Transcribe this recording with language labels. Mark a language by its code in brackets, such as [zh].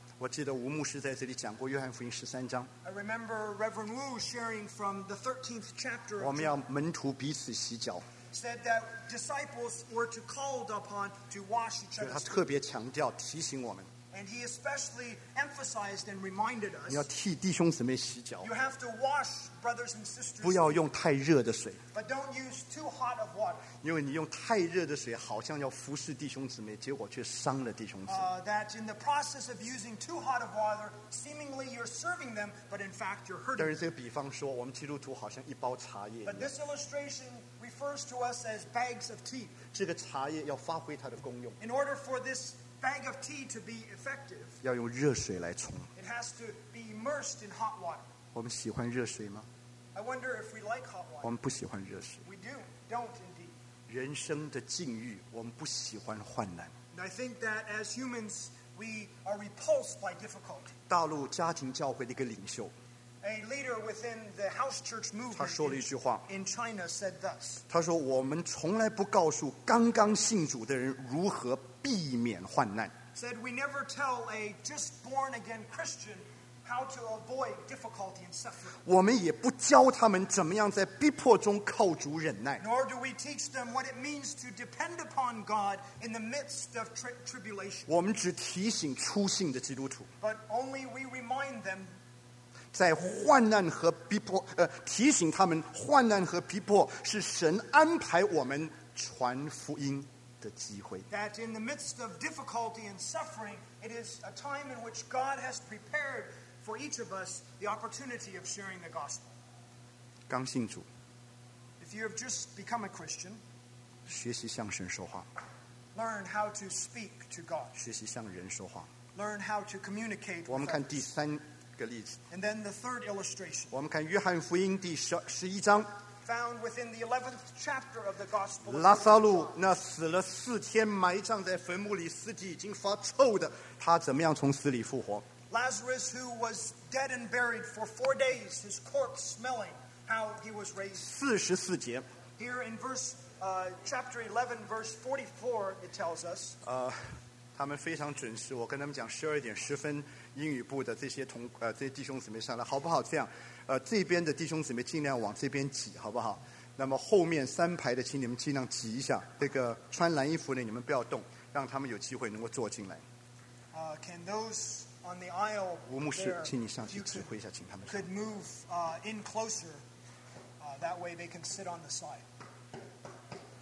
[zh] 我记得吴牧师在这里讲过约翰福音十三章。 [en] I remember Reverend Wu sharing from the 13th chapter. [zh] 我们要门徒彼此洗脚。 [en] Said that disciples were to called upon to wash each other's feet. [zh] 他特别强调提醒我们。 [en] And he especially emphasized and reminded us. [zh] 你要替弟兄姊妹洗脚。 [en] You have to wash brothers and sisters. [zh] 不要用太热的水。 [en] But don't use too hot of water. [zh] 因为你用太热的水，好像要服侍弟兄姊妹，结果却伤了弟兄姊妹。 [en] That in the process of using too hot of water, seemingly you're serving them, but in fact you're hurting. [zh] 但是这个比方说，我们基督徒好像一包茶叶。 [en] But this illustration. Refers to us as bags of tea. [zh] 这个茶叶要发挥它的功用。 [en] In order for this bag of tea to be effective, [zh] 要用热水来冲。 [en] It has to be immersed in hot water. [zh] 我们喜欢热水吗？ [en] I wonder if we like hot water. [zh] 我们不喜欢热水。 [en] We do, don't indeed. [zh] 人生的境遇，我们不喜欢患难。 [en] And I think that as humans, we are repulsed by difficulty. [zh] 大陆家庭教会的一个领袖。 [en] A leader within the house church movement. [zh] 他说了一句话。 [en] In China, said thus. [zh] 他说：“我们从来不告诉刚刚信主的人如何避免患难。” [en] Said we never tell a just born again Christian. How to avoid difficulty and suffering. [zh] 我们也不教他们怎么样在逼迫中靠主忍耐。 [en] Nor do we teach them what it means to depend upon God in the midst of tribulation. [zh] 我们只提醒初信的基督徒。 [en] But only we remind them. [zh] 在患难和逼迫，提醒他们患难和逼迫是神安排我们传福音的机会。 [en] That in the midst of difficulty and suffering, it is a time in which God has prepared. For each of us, the opportunity of sharing the gospel. [zh] 刚信主。 [en] If you have just become a Christian, [zh] 学习向神说话。 [en] Learn how to speak to God. [zh] 学习向人说话。 [en] Learn how to communicate. [zh] 我们看第三个例子。 [en] And then the third illustration. [zh] 我们看约翰福音第十一章。 [en] Found within the 11th chapter of the gospel. [zh] 拉撒路那死了四天，埋葬在坟墓里，尸体已经发臭的，他怎么样从死里复活？ [en] Lazarus, who was dead and buried for 4 days, his corpse smelling how he was raised. [zh] 44节 [en] Here in verse, chapter 11, verse 44, it tells us. [zh] 他们非常准时，我跟他们讲十二点十分，英语部的这些弟兄姊妹上来，好不好？这样，这边的弟兄姊妹尽量往这边挤，好不好？那么后面三排的，请你们尽量挤一下。这个穿蓝衣服的，你们不要动，让他们有机会能够坐进来。 [en] Can those On the aisle, [zh] 吴牧师，请你上去指挥一下，请他们。 [en] Could move in closer, that way they can sit on the side.